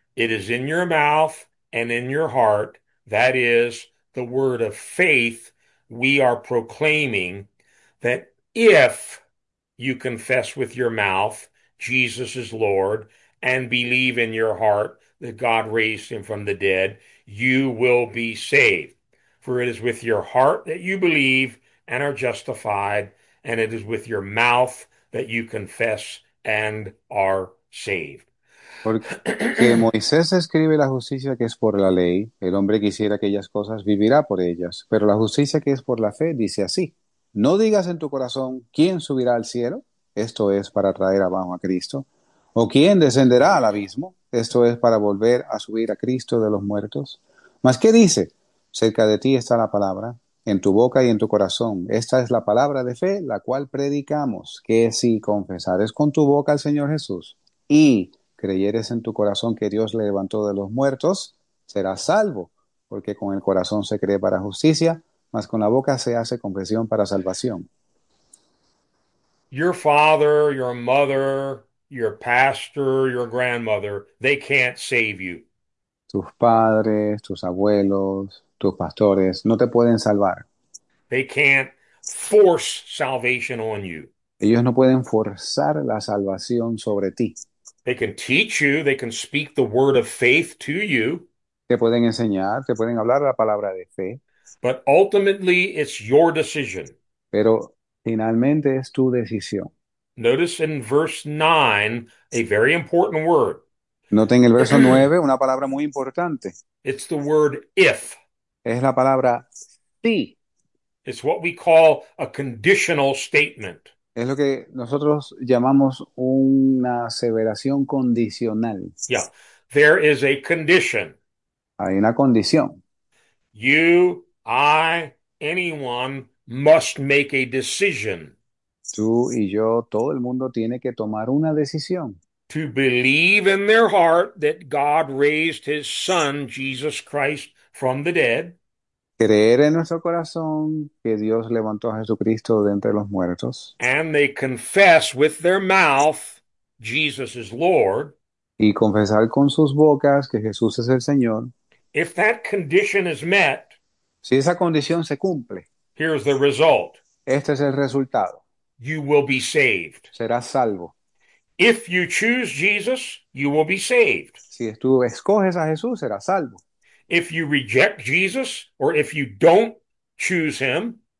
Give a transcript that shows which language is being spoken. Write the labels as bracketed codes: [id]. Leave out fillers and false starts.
[en] It is in your mouth and in your heart. That is the word of faith we are proclaiming, that if you confess with your mouth Jesus is Lord and believe in your heart that God raised him from the dead, you will be saved. For it is with your heart that you believe and are justified, and it is with your mouth that you confess and are saved. Saved. [es] Porque Moisés escribe la justicia que es por la ley, el hombre quisiera aquellas cosas, vivirá por ellas, pero la justicia que es por la fe dice así, no digas en tu corazón quién subirá al cielo, esto es para traer abajo a Cristo, o quién descenderá al abismo, esto es para volver a subir a Cristo de los muertos, mas ¿qué dice? Cerca de ti está la palabra, en tu boca y en tu corazón, esta es la palabra de fe, la cual predicamos, que si confesares con tu boca al Señor Jesús y creyeres en tu corazón que Dios le levantó de los muertos, serás salvo, porque con el corazón se cree para justicia, mas con la boca se hace confesión para salvación. [en] Your father, your mother, your pastor, your grandmother, they can't save you. [es] Tus padres, tus abuelos, tus pastores no te pueden salvar. [en] They can't force salvation on you. [es] Ellos no pueden forzar la salvación sobre ti. [en] They can teach you, they can speak the word of faith to you. [es] Te pueden enseñar, te pueden hablar la palabra de fe, [en] But ultimately, it's your decision. [es] pero finalmente es tu decisión. [en] Notice in verse 9 a very important word. [es] Noten el verso 9, [en] It's [es] una palabra muy importante. [en] the word if. [es] Es la palabra sí. [en] It's what we call a conditional statement. [es] Es lo que nosotros llamamos una aseveración condicional. [en] Yeah, there is a condition. [es] Hay una condición. [en] You, I, anyone must make a decision. [es] Tú y yo, todo el mundo tiene que tomar una decisión. [en] To believe in their heart that God raised his son, Jesus Christ, from the dead. [es] Creer en nuestro corazón que Dios levantó a Jesucristo de entre los muertos. [en] And they confess with their mouth, Jesus is Lord. [es] Y confesar con sus bocas que Jesús es el Señor. [en] If that condition is met, [es] Si esa condición se cumple, [en] here's the result. [es] este es el resultado. [en] You will be saved. [es] Serás salvo. [en] If you choose Jesus, you will be saved. [es] Si tú escoges a Jesús, serás salvo. [en] If you reject Jesus, or if you don't choose him,